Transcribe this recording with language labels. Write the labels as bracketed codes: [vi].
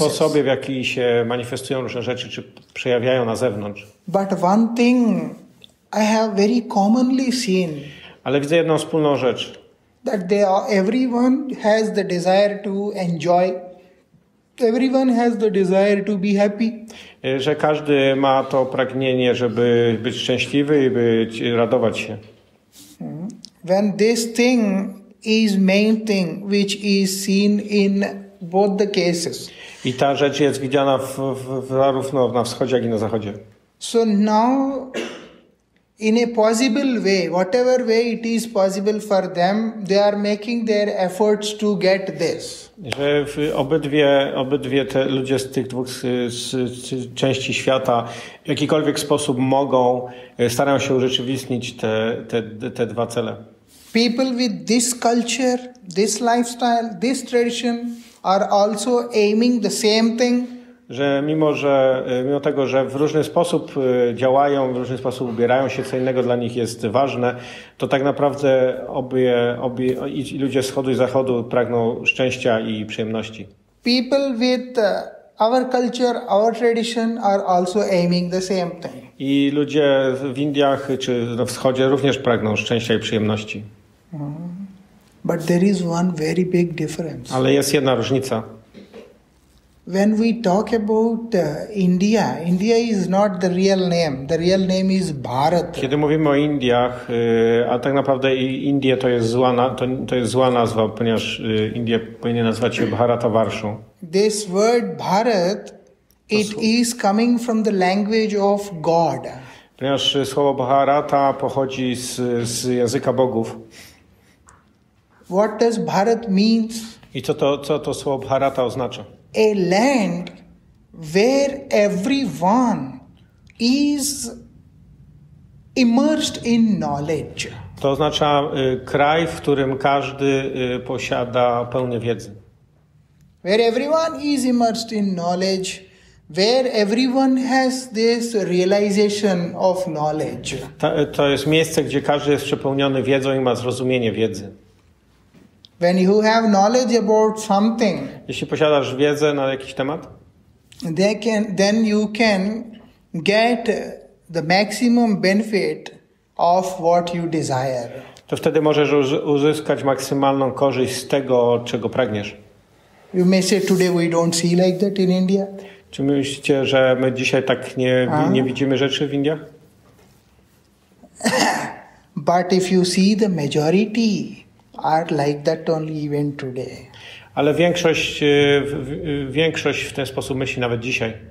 [pl] Sposoby, w jaki się manifestują różne rzeczy, czy przejawiają na zewnątrz. [en] But one thing I have very commonly seen. [pl] Ale widzę jedną wspólną rzecz. [en] That they are, everyone has the desire to enjoy Everyone has the desire to be happy. [pl] Że każdy ma to pragnienie, żeby być szczęśliwy i być radować się. [en] When this thing is main thing, which is seen in both the cases. [pl] I ta rzecz jest widziana zarówno na wschodzie, jak i na zachodzie. [en] So now, in a possible way, whatever way it is possible for them, they are making their efforts to get this. [pl] Że obydwie te ludzie z tych dwóch części świata w jakikolwiek sposób mogą, starają się urzeczywistnić te dwa cele. [en] People with this culture, this lifestyle, this tradition are also aiming the same thing. [pl] Że mimo tego, że w różny sposób działają, w różny sposób ubierają się, co innego dla nich jest ważne, to tak naprawdę obie i ludzie z wschodu i zachodu pragną szczęścia i przyjemności. [en] People with our culture, our tradition are also aiming the same thing. [pl] I ludzie w Indiach czy na wschodzie również pragną szczęścia i przyjemności. [en] But there is one very big difference. [pl] Ale jest jedna różnica. [en] When we talk about India, India is not the real name. The real name is Bharat. [pl] Kiedy mówimy o Indiach, a tak naprawdę Indie to jest zła nazwa, ponieważ Indie powinien nazwać się Bharatavarsha. [en] This word Bharat, it is coming from the language of God. [pl] Ponieważ słowo Bharata pochodzi z języka bogów. [en] What does Bharat mean? [pl] I co to słowo Bharata oznacza? [en] A land where everyone is immersed in knowledge. [pl] To oznacza kraj, w którym każdy posiada pełnię wiedzy. [en] Where everyone is immersed in knowledge, where everyone has this realization of knowledge. [pl] To jest miejsce, gdzie każdy jest przepełniony wiedzą i ma zrozumienie wiedzy. [en] When you have knowledge about something, [pl] jeśli posiadasz wiedzę na jakiś temat, [en] then you can get the maximum benefit of what you desire. [pl] To wtedy możesz uzyskać maksymalną korzyść z tego, czego pragniesz. [en] You may say today we don't see like that in India. [pl] Czy myślicie, że my dzisiaj tak nie widzimy rzeczy w Indiach? [en] But if you see the majority are like that only even today. [pl] Ale większość w ten sposób myśli nawet dzisiaj.